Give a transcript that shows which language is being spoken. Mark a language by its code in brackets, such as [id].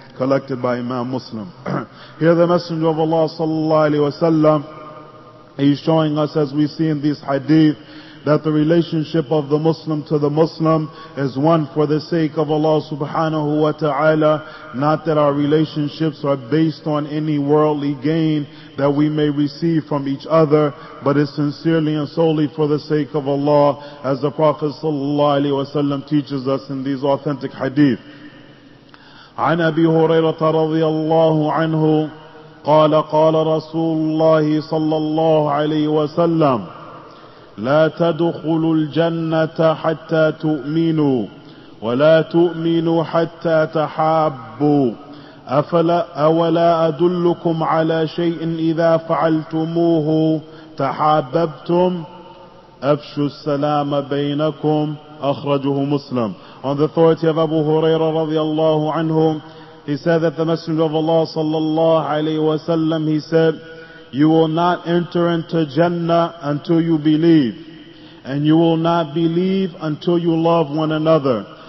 [en] Collected by Imam Muslim. Here the Messenger of Allah sallallahu alayhi wa sallam, he's showing us, as we see in these hadith, that the relationship of the Muslim to the Muslim is one for the sake of Allah subhanahu wa ta'ala, not that our relationships are based on any worldly gain that we may receive from each other, but is sincerely and solely for the sake of Allah, as the Prophet sallallahu alayhi wa sallam teaches us in these authentic hadith. [ar] عن أبي هريرة رضي الله عنه قال قال رسول الله صلى الله عليه وسلم لا تدخلوا الجنة حتى تؤمنوا ولا تؤمنوا حتى تحابوا أولا أدلكم على شيء إذا فعلتموه تحاببتم أفشوا السلام بينكم. أخرجه مسلم. [en] On the authority of Abu Huraira radiallahu anhu, he said that the Messenger of Allah sallallahu alayhi wa sallam, he said, "You will not enter into Jannah until you believe, and you will not believe until you love one another.